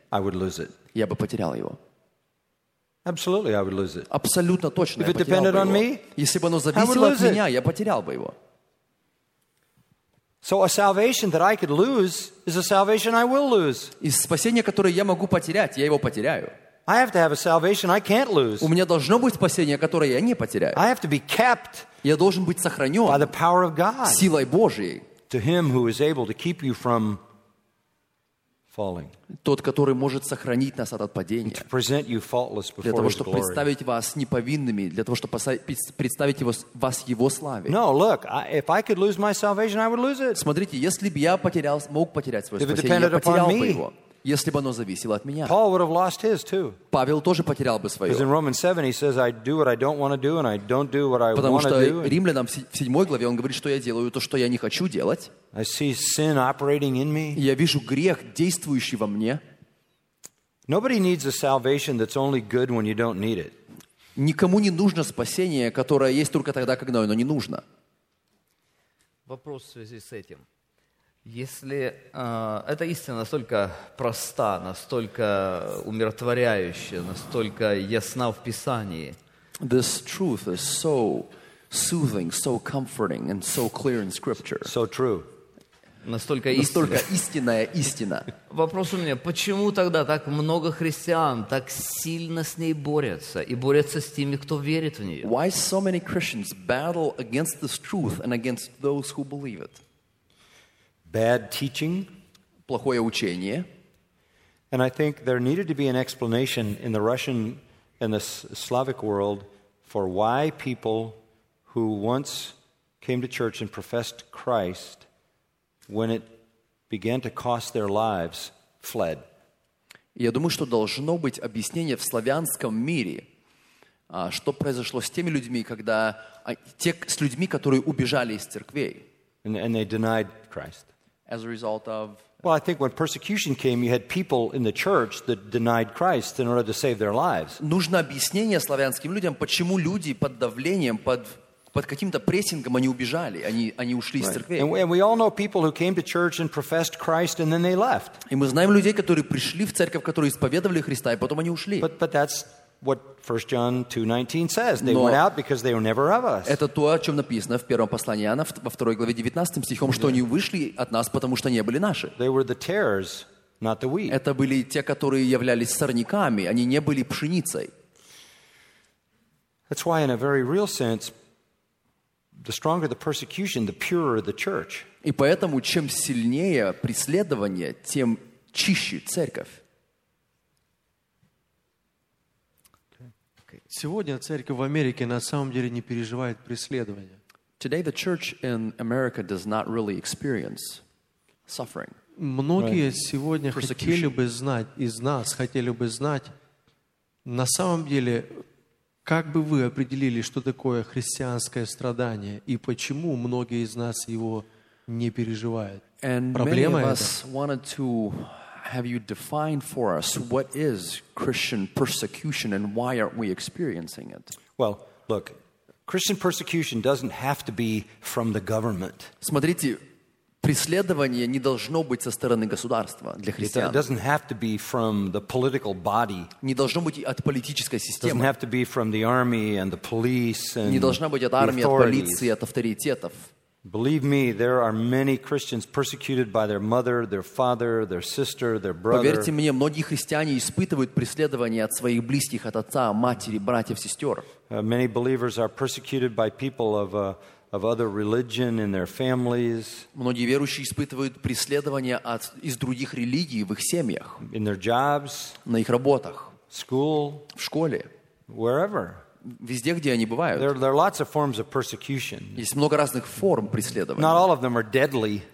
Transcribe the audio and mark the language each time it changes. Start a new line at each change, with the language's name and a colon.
English: I would lose it.
Russian: Я бы потерял его.
English: Absolutely, I would lose it.
Russian: Абсолютно точно,
English: if it depended on me,
Russian: если бы оно зависело от меня, я потерял бы его.
English: So a salvation that I could lose is a salvation I will lose.
Russian: И спасение, которое я могу потерять, я его потеряю.
English: I have to have a salvation I can't lose.
Russian: У меня должно быть спасение, которое я не потеряю.
English: I have to be kept.
Russian: Я должен быть сохранен.
English: By the power of God.
Russian: Силой Божьей.
English: To him who is able to keep you from falling.
Russian: Тот, который может сохранить нас от падения.
English: To present you faultless before his glory.
Russian: Для того, чтобы представить вас неповинными, для того, чтобы представить вас его славе.
English: No, look, if I could lose my salvation, I would lose it.
Russian: Смотрите, если бы я мог потерять свое спасение, я потерял бы его.
English: If it depended upon me.
Russian: Если бы оно зависело от меня.
English: Paul would have lost his too.
Russian: Павел тоже потерял бы свое.
English: Because in Romans 7 he says, I do what I don't want to do and I don't do what I want to do.
Russian: Потому что Римлянам в 7 главе он говорит, что я делаю то, что я не хочу делать.
English: I see sin operating in me.
Russian: Я вижу грех, действующий во мне.
English: Nobody needs a salvation that's only good when you don't need it.
Russian: Никому не нужно спасение, которое есть только тогда, когда оно не нужно. Вопрос в связи с этим. Если эта истина настолько проста, настолько умиротворяющая, настолько ясна в Писании,
English: this truth is so soothing, so comforting, and so clear in Scripture. So true.
Russian: Настолько истинная истина. Вопрос у меня: почему тогда так много христиан так сильно с ней борются и борются с теми, кто верит в нее?
English: Why so many Christians battle against this truth and against those who believe it? Bad teaching.
Russian: Плохое учение.
English: And I think there needed to be an explanation in the Russian and the Slavic world for why people who once came to church and professed Christ, when it began to cost their lives, fled.
Russian: Я думаю, что должно быть объяснение в славянском мире, что произошло с теми людьми, когда с людьми, которые убежали из церквей.
English: And they denied Christ. As a result of. Well, I think when persecution came, you had people in the church that denied Christ in order to save their lives.
Russian: Нужно объяснение славянским людям, почему люди под давлением, под каким-то прессингом они убежали, они ушли из церкви.
English: And we all know people who came to church and professed Christ and then they left.
Russian: И мы знаем людей, которые пришли в церковь, которые исповедовали Христа, и потом они ушли.
English: But that's what 1 John 2:19 says. They went out because they were never of us.
Russian: Это то, о чем написано в первом послании Иоанна во второй главе 19 стихом, что они вышли от нас, потому что не были наши.
English: They were the tares, not the wheat.
Russian: Это были те, которые являлись сорняками, они не были пшеницей.
English: That's why in a very real sense the stronger the persecution, the purer the church.
Russian: И поэтому чем сильнее преследование, тем чище церковь. Сегодня церковь в Америке на самом деле не переживает преследования.
English: Today the church in America does not really experience suffering.
Russian: Многие сегодня хотели бы знать, из нас хотели бы знать, на самом деле, как бы вы определили, что такое христианское страдание и почему многие из нас его не переживают? Проблема это.
English: Have you defined for us what is Christian persecution and why aren't we experiencing it? Well, look, Christian persecution doesn't have to be from the government.
Russian: Смотрите, преследование не должно быть со стороны государства для христиан.
English: It doesn't have to be from the political body.
Russian: Не должно быть от политической системы.
English: Doesn't have to be from the army and the police and.
Russian: Не должна быть от армии, от полиции, от авторитетов.
English: Believe me, there are many Christians persecuted by their mother, their father, their sister, their brother.
Russian: Поверьте мне, многие христиане испытывают преследование от своих близких, от отца, матери, братьев, сестер.
English: Many believers are persecuted by people of other religion in their families.
Russian: Многие верующие испытывают преследование из других религий в их семьях.
English: In their jobs.
Russian: На их работах.
English: School.
Russian: В школе.
English: Wherever.
Russian: Везде, где они бывают.
English: There are lots of forms of persecution.
Russian: Есть много разных форм преследования.
English: Not all of them are deadly.